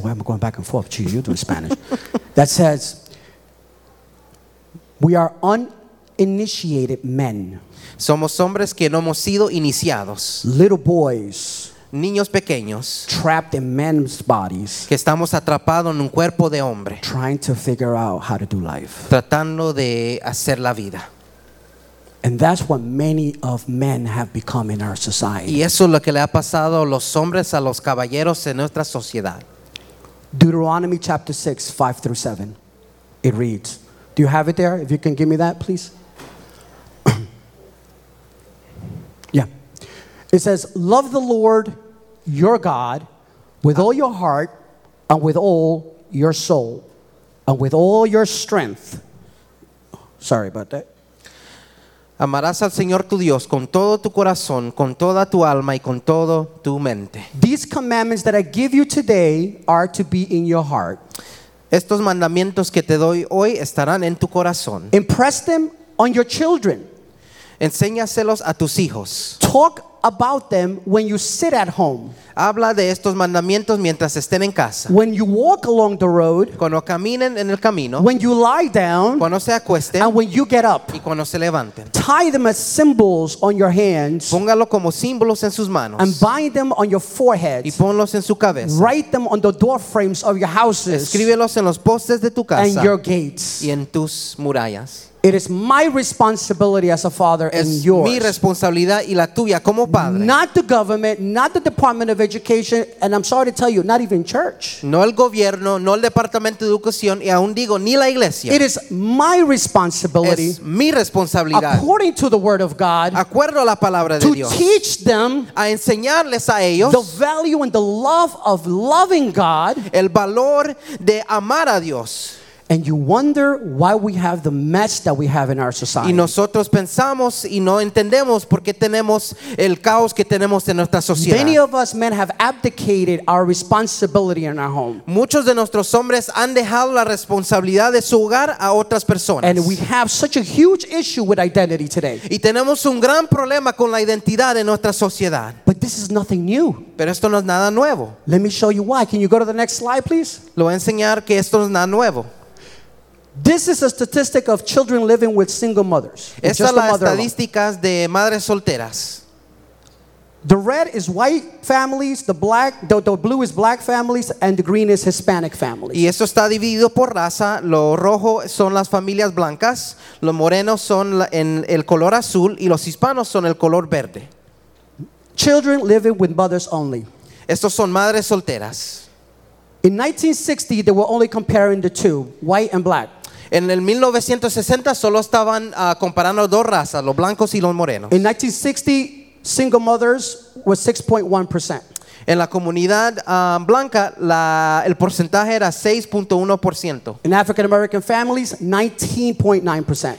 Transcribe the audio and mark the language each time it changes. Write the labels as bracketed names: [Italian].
[English] why am I going back and forth? Jeez, you're doing Spanish. That says, we are uninitiated men. [Spanish] Somos hombres que no hemos sido iniciados. [English] Little boys. [Spanish] Niños pequeños, [English] trapped in men's bodies, [Spanish] que estamos atrapados en un cuerpo de hombre, [English] trying to figure out how to do life, [Spanish] tratando de hacer la vida. [English] And that's what many of men have become in our society. [Spanish] Y eso es lo que le ha pasado a los hombres, a los caballeros en nuestra sociedad. [English] Deuteronomy chapter 6, 5 through 7. It reads, do you have it there? If you can give me that, please. It says, love the Lord your God with all your heart and with all your soul and with all your strength. Sorry about that. [Spanish] Amarás al Señor tu Dios con todo tu corazón, con toda tu alma y con todo tu mente. [English] These commandments that I give you today are to be in your heart. [Spanish] Estos mandamientos que te doy hoy estarán en tu corazón. [English] Impress them on your children. [Spanish] Enséñaselos a tus hijos. [English] Talk about them when you sit at home. [Spanish] Habla de estos mandamientos mientras estén en casa. [English] When you walk along the road. [Spanish] Cuando caminen en el camino. [English] When you lie down. [Spanish] Cuando se acuesten. [English] And when you get up. [Spanish] Y cuando se levanten. [English] Tie them as symbols on your hands. [Spanish] Póngalo como símbolos en sus manos. [English] And bind them on your foreheads. [Spanish] Y ponlos en su cabeza. [English] Write them on the door frames of your houses. [Spanish] Escríbelos en los postes de tu casa. [English] And your gates. [Spanish] Y en tus murallas. [English] It is my responsibility as a father and yours. [Spanish] Es mi responsabilidad y la tuya como padre. [English] Not the government, not the Department of Education, and I'm sorry to tell you, not even church. [Spanish] No el gobierno, no el Departamento de Educación, y aún digo, ni la iglesia. [English] It is my responsibility. [Spanish] Es mi responsabilidad. [English] According to the word of God. [Spanish] Acuerdo a la palabra de [English] to [Spanish] Dios. [English] To teach them. [Spanish] A enseñarles a ellos. [English] The value and the love of loving God. [Spanish] El valor de amar a Dios. [English] And you wonder why we have the mess that we have in our society. [Spanish] Y nosotros pensamos y no entendemos por qué tenemos el caos que tenemos en nuestra sociedad. [English] Many of us men have abdicated our responsibility in our home. [Spanish] Muchos de nuestros hombres han dejado la responsabilidad de su hogar a otras personas. [English] And we have such a huge issue with identity today. [Spanish] Y tenemos un gran problema con la identidad en nuestra sociedad. [English] But this is nothing new. [Spanish] Pero esto no es nada nuevo. [English] Let me show you why. Can you go to the next slide, please? [Spanish] Lo voy a enseñar que esto no es nada nuevo. [English] This is a statistic of children living with single mothers. [Spanish] Esta es la estadística de madres solteras. [English] The red is white families, the blue is black families, and the green is Hispanic families. [Spanish] Y eso está dividido por raza. Lo rojo son las familias blancas, los morenos son en el color azul, y los hispanos son el color verde. [English] Children living with mothers only. [Spanish] Estos son madres solteras. [English] In 1960, they were only comparing the two, white and black. [Spanish] En el 1960 solo estaban comparando dos razas, los blancos y los morenos. [English] In 1960, single mothers was 6.1%. [Spanish] En la comunidad blanca, el porcentaje era 6.1%. [English] In African American families, 19.9%.